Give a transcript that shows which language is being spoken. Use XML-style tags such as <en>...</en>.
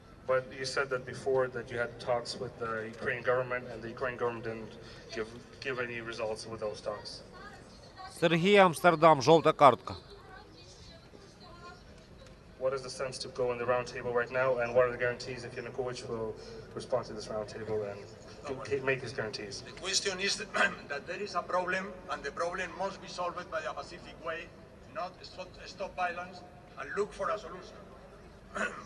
<en>But you said that before that you had talks with the Ukrainian government and the Ukrainian government didn't give any results with those talks.</en> <uk>Сергій, Амстердам, жовта картка.</uk> <en>What is the sense to go in the round table right now and what are the guarantees if Yanukovych will respond to this round table and make his guarantees? The question is that there is a problem and the problem must be solved by a pacific way, not stop violence and look for a solution.</en>